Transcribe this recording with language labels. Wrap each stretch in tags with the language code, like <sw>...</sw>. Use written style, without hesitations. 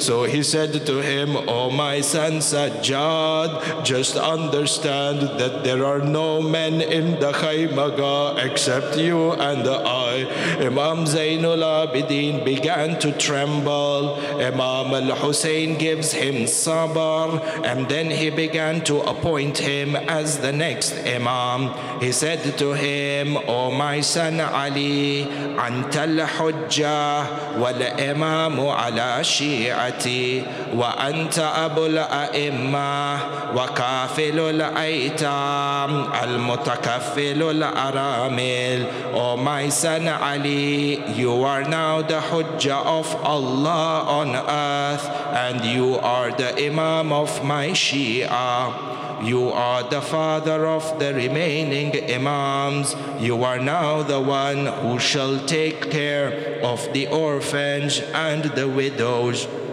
<en>So he said to him, O my son Sajjad, just understand that there are no men in the Khaymagah except you and I. Imam Zain al-Abidin began to tremble. Imam al-Husayn gives him sabr, and then he began to appoint him as the next Imam. He said to him, O my son Ali,</en> <ar>أنت الحجة والإمام على شيعتي وأنت أبو الأئمة وكافل الأيتام المتكفل الأرامل.</ar> <en>O my son Ali, you are now the Hujja of Allah on earth, and you are the Imam of my Shia. You are the father of the remaining imams. You are now the one who shall take care of the orphans and the widows.</en>